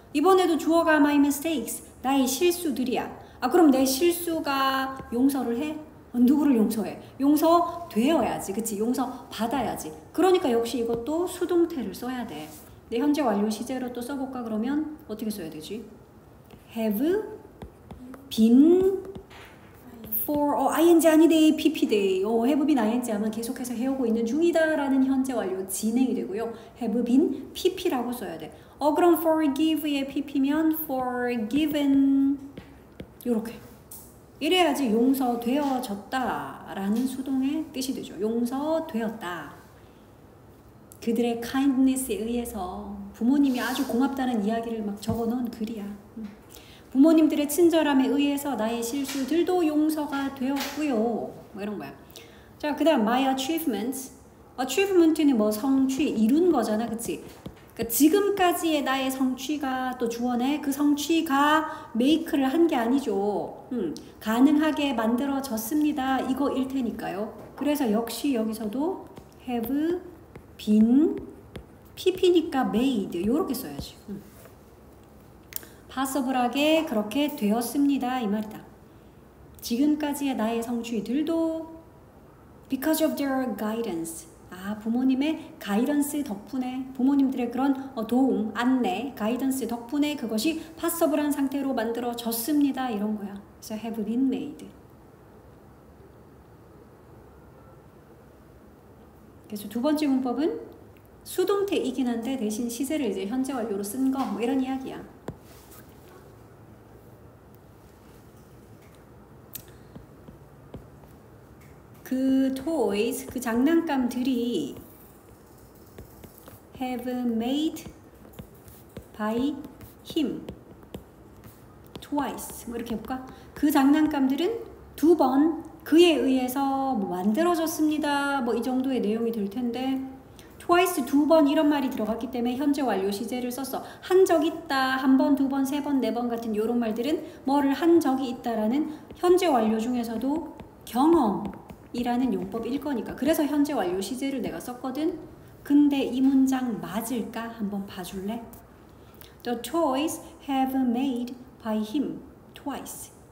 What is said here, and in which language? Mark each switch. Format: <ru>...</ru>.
<ko>이번에도 주어가 my mistakes, 나의 실수들이야. 아, 그럼 내 실수가 용서를 해? 누구를 용서해? 용서 되어야지, 그치? 용서 받아야지. 그러니까 역시 이것도 수동태를 써야 돼. 내 현재 완료 시제로 또 써볼까? 그러면 어떻게 써야 되지?</ko> <en>Have been for ing</en> <ko>아니네,</ko> <en>pp 돼. Have been ing</en> <ko>하면 계속해서 해오고 있는 중이다 라는 현재 완료 진행이 되고요.</ko> <en>Have been pp</en> <ko>라고 써야 돼. 어, 그럼 forgive의 pp면 forgiven 이렇게. 이래야지 용서되어졌다 라는 수동의 뜻이 되죠. 용서되었다. 그들의 kindness에 의해서 부모님이 아주 고맙다는 이야기를 막 적어놓은 글이야. 부모님들의 친절함에 의해서 나의 실수들도 용서가 되었고요. 뭐 이런 거야. 자, 그 다음 my achievements. achievement는 뭐 성취, 이룬 거잖아, 그치? 지금까지의 나의 성취가 또 주어네. 그 성취가 메이크를 한 게 아니죠. 가능하게 만들어졌습니다. 이거 일 테니까요. 그래서 역시 여기서도</ko> <en>have been PP</en> <ko>니까 made 이렇게 써야지. possible하게 그렇게 되었습니다. 이 말이다. 지금까지의 나의 성취들도</ko> <en>because of their guidance.</en> <ko>아, 부모님의 가이던스 덕분에, 부모님들의 그런 도움, 안내, 가이던스 덕분에 그것이 possible한 상태로 만들어졌습니다. 이런 거야.</ko> <en>So have been made.</en> <ko>그래서 두 번째 문법은 수동태이긴 한데 대신 시제를 이제 현재 완료로 쓴 거, 뭐 이런 이야기야.</ko> <en>그 toys,</en> <ko>그 장난감들이</ko> <en>have made by him twice.</en> <ko>뭐 이렇게 해볼까? 그 장난감들은 두 번 그에 의해서 뭐 만들어졌습니다. 뭐 이 정도의 내용이 될 텐데 twice 두 번 이런 말이 들어갔기 때문에 현재 완료 시제를 썼어. 한 적 있다, 한 번, 두 번, 세 번, 네 번 같은 이런 말들은 뭐를 한 적이 있다라는 현재 완료 중에서도 경험 이라는 용법일 거니까. 그래서 현재 완료 시제를 내가 썼거든. 근데 이 문장 맞을까? 한번 봐줄래?</ko> <en>The toys have made by him twice.</en>